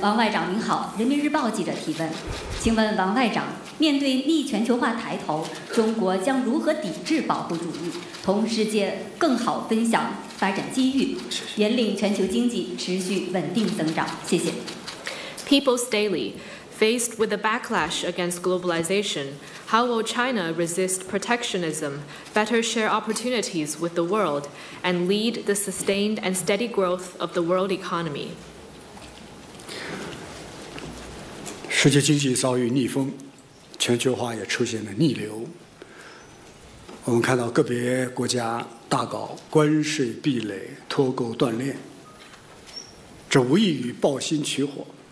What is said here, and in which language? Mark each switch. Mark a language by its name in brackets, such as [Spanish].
[Chinese] 王外长您好，人民日报记者提问，请问王外长，面对逆全球化抬头，中国将如何抵制保护主义，同世界更好分享发展机遇，引领全球经济持续稳定增长？谢谢。 [English] People's Daily。 Faced with the backlash against globalization, how will China resist protectionism, better share opportunities with the world, and lead the sustained and steady growth of the world economy? [Chinese] 世界经济遭遇逆风，全球化也出现了逆流。我们看到个别国家大搞关税壁垒、脱钩断链，这无异于抱薪取火。